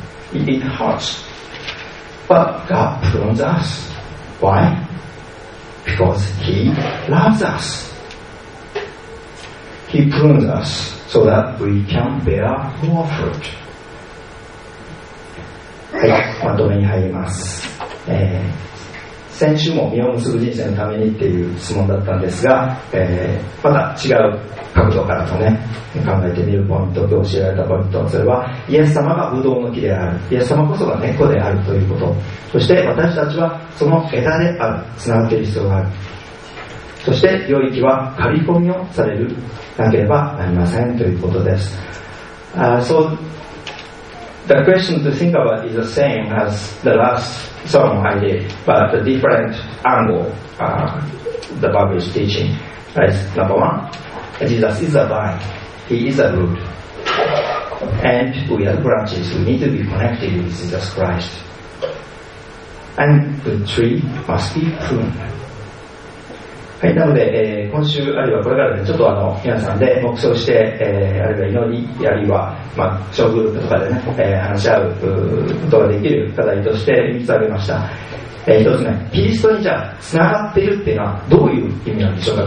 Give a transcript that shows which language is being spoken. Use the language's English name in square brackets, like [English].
[English] It hurts. But God prunes us. Why? Because He loves us. He prunes us so that we can bear more fruit. [Japanese] はい、まとめに入ります、先週も実を結ぶ人生のためにっていう質問だったんですが、また違う角度からとね考えてみるポイント、今日教えられたポイント、それはイエス様がブドウの木である、イエス様こそが根っこであるということ、そして私たちはその枝である、つながっている必要がある、そして領域は刈り込みをされるなければなりませんということです。そう、 [English] The question to think about is the same as the last sermon I did, but a different angle, the Bible is teaching. Number one, Jesus is a vine. He is a root. And we are branches. We need to be connected with Jesus Christ. And the tree must be pruned. [Japanese] はい、なので、今週あるいはこれからで、ね、ちょっと皆さんで黙想して、あるいは祈り、あるいは、まあ、小グループとかでね、話し合うことができる課題として3つ挙げました。 1つ目、キリストにじゃあつながっているっていうのはどういう意味なんでしょうか。